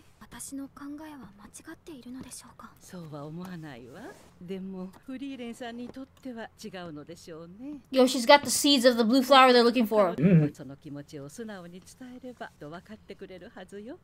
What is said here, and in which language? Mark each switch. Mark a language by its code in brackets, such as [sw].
[ja] 私の考えは間違っているのでしょうか。そうは思わないわ。でもフリーレンさんにとっては違うのでしょうね。 [en] Yo, she's got the seeds of the blue flower they're looking for. [ja] その気持ちを素直に伝えればと分かってくれるはずよ。